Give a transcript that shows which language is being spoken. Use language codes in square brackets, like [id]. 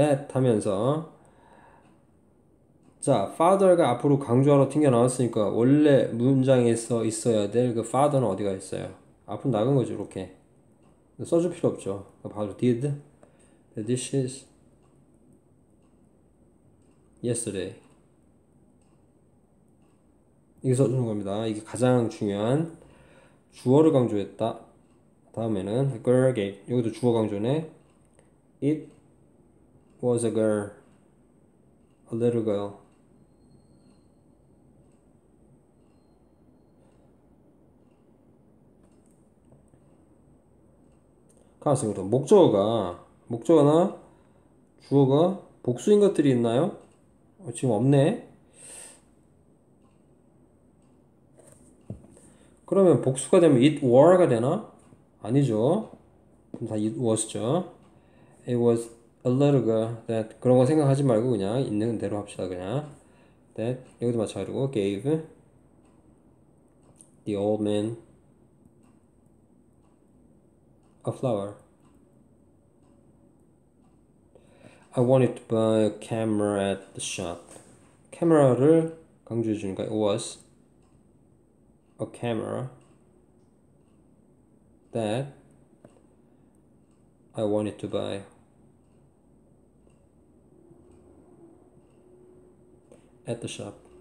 [ko] 하면서 자 father가 앞으로 강조하러 튕겨 나왔으니까 원래 문장에서 있어야 될그 father는 어디가 있어요? 앞으로 나간 거죠. 이렇게 써줄 필요 없죠. 바로 [en] did the dishes yesterday. [ko] 이게 써주는 겁니다. 이게 가장 중요한 주어를 강조했다. 다음에는 [en] the girl gate. [ko] 여기도 주어 강조네. [en] it was a girl, a little girl. [ko] 가능성이 목적어나 주어가 복수인 것들이 있나요? 지금 없네. 그러면 복수가 되면 it were가 되나? 아니죠. 그럼 다 it was죠. [en] It was a little girl that [ko] 그런 거 생각하지 말고 그냥 있는 대로 합시다. 그냥 [en] that [ko] 여기도 마찬가지고 [en] gave the old man a flower. I wanted to buy a camera at the shop. [ko] 카메라를 강조해 주니까 [en] it was a camera that I wanted to buy at the shop.